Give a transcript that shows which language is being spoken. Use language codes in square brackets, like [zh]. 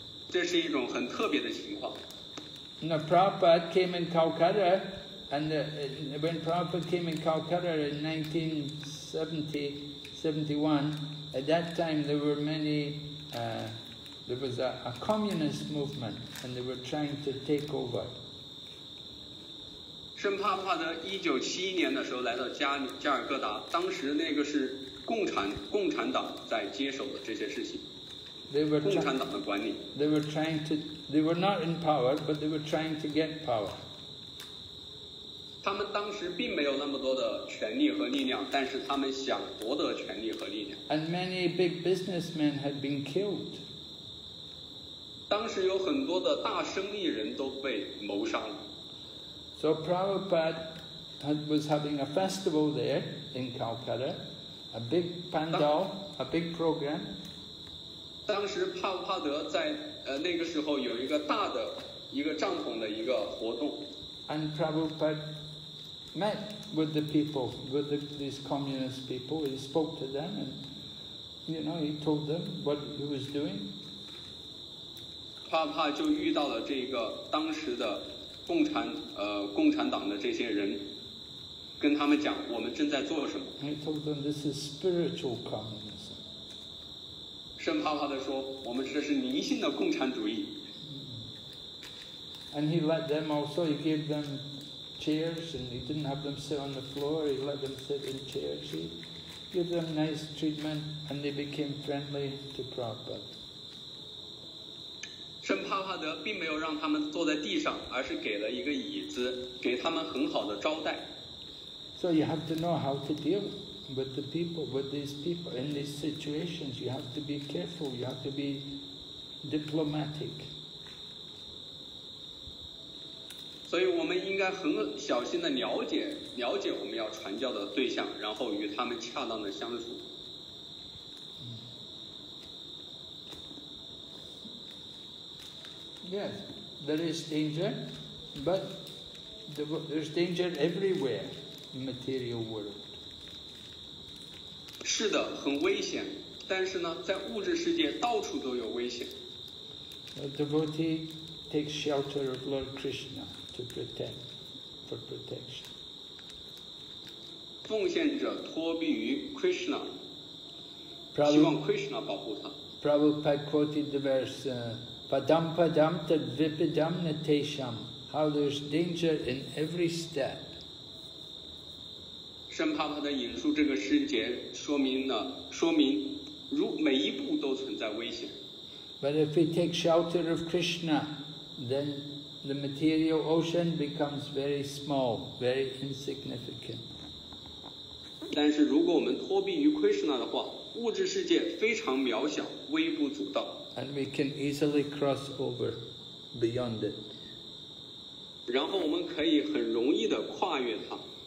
[zh] 这是一种很特别的情况。 [en] 那 Prabhupada came in Calcutta, and when Prabhupada came in Calcutta in 1970-71, at that time there were many, there was a communist movement, and they were trying to take over. [zh] 圣帕帕德1971年的时候来到加尔各答，当时那个是。共产党在接手了这些事情。共产党的管理。 [en] They were not in power, but they were trying to get power. [zh] 他们当时并没有那么多的权力和力量，但是他们想夺得权力和力量。 [en] And many big businessmen had been killed. [zh] 当时有很多的大生意人都被谋杀了。 [en] So Prabhupada was having a festival there in Calcutta. A big pandal, a big program. [zh] 当时帕布帕德在那个时候有一个大的一个帐篷的一个活动。 [en] And Prabhupada met with the people, with these communist people. He spoke to them and You know, he told them what he was doing. [zh] 帕帕就遇到了这个当时的共产党的这些人，跟他们讲我们正在做什么。 [en] He told them this is spiritual communism. [zh] 圣帕帕的说，我们这是灵性的共产主义。 [en] And he let them also, he gave them chairs, and he didn't have them sit on the floor, he let them sit in chairs, he gave them nice treatment, and they became friendly to Prabhupada. [zh] 圣帕帕德并没有让他们坐在地上，而是给了一个椅子，给他们很好的招待。 [en] So you have to know how to deal with the people, with these people, in these situations, you have to be careful, you have to be diplomatic. [zh] 所以我们应该很小心地了解我们要传教的对象，然后与他们恰当的相处。 [en] Yes, there is danger, but there's danger everywhere in material world. [zh] 是的，很危险，但是呢，在物质世界到处都有危险。 [en] A devotee takes shelter of Lord Krishna. To protect, for protection. [zh] 奉献者托庇于 Krishna, 希望 Krishna 保护他。 [en] Prabhupada quoted the verse, [sa] "Padam padam tad vipadam natesham." [en] How there's danger in every step. [zh] 圣帕帕的引述这个诗节，说明如每一步都存在危险。 [en] But if we take shelter of Krishna, then. The material ocean becomes very small, very insignificant. [zh] 但是如果我们脱避于 Krishna 的话，物质世界非常渺小，微不足道。 [en] And we can easily cross over beyond it. [zh] 然后我们可以很容易地跨越它。